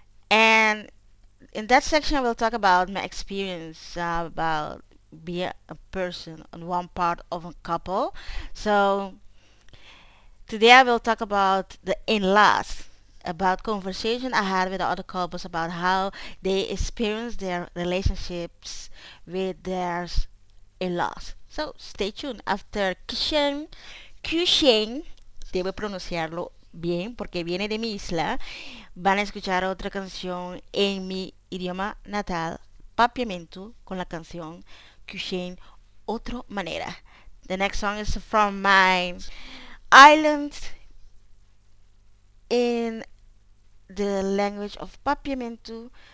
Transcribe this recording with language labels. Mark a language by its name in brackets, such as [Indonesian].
[English] And in that section, I will talk about my experience about being a person on one part of a couple. So today I will talk about the in-laws, about conversation I had with the other couples about how they experience their relationships with their in-laws. So stay tuned. [Spanish] After Kishen, debo pronunciarlo bien porque viene de mi isla, van a escuchar otra canción en mi idioma natal, Papiamento, con la canción Kishen, Otro Manera. [English] The next song is from my island in the language of Papiamento.